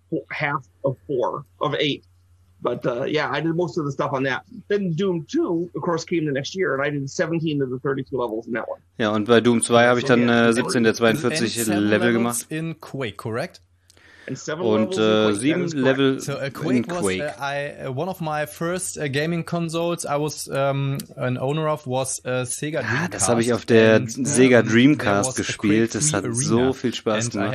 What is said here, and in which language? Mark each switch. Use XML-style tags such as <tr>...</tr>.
<en>Half of 4 of 8, but I did most of the stuff on that. Then Doom 2 of course came the next year, and I did 17 of the 32 levels in that one.</en> <de>Ja, und bei Doom 2 habe ich dann 17 der 42 Level gemacht.</de> <en>In Quake, correct?</en> <de>Und 7 Level in Quake.</de> <en>One of my first gaming consoles I was an owner of was Sega Dreamcast.</en> <de>Das habe ich auf der Sega Dreamcast gespielt. Das hat so viel Spaß gemacht.</de>